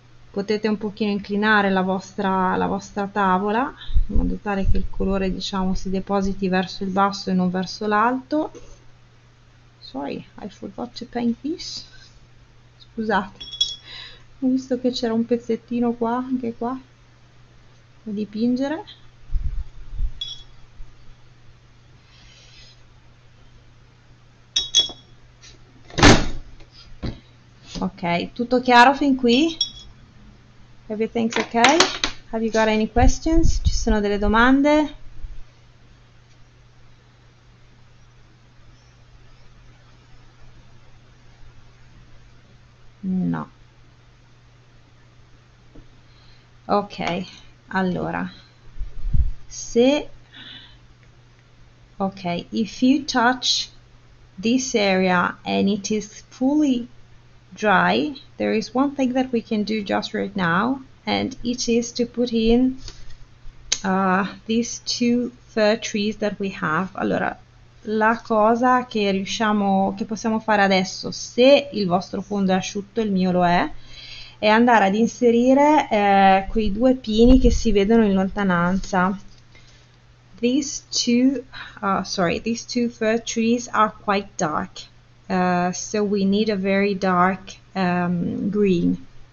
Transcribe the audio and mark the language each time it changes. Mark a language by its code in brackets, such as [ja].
[it] Potete un pochino inclinare la vostra tavola in modo tale che il colore, diciamo, si depositi verso il basso e non verso l'alto. [en] Sorry, I forgot to paint this. [it] Scusate. Ho visto che c'era un pezzettino qua, anche qua, da dipingere. Ok, tutto chiaro fin qui? [en] Everything's okay? Have you got any questions? [it] Ci sono delle domande? [en] Ok, [it] allora, [en] if you touch this area and it is fully dry, there is one thing that we can do just right now. And it is to put in these two fir trees that we have. [it] Allora, [en] the [it] La cosa che possiamo fare adesso, se il vostro fondo è asciutto, il mio lo è andare ad inserire quei due pini che si vedono in lontananza. [en] These two fir trees are quite dark, so we need a very dark green.